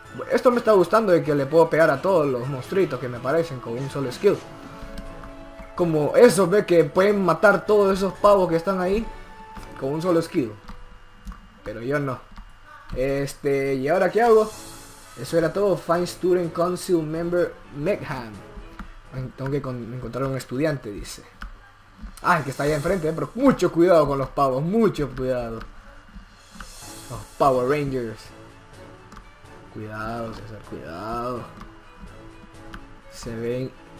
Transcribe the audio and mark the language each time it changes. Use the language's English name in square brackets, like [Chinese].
[Spanish] Esto me está gustando de que le puedo pegar a todos los monstruitos que me aparecen con un solo skill. Como eso, ve que pueden matar todos esos pavos que están ahí con un solo skill. Pero yo no. Este, ¿y ahora qué hago? Eso era todo. [English] Find student council member Meghan. [Spanish] Tengo que encontrar un estudiante, dice. Ah, el que está allá enfrente, ¿eh? Pero mucho cuidado con los pavos, mucho cuidado. Los Power Rangers. Cuidado, César, cuidado. Se ven...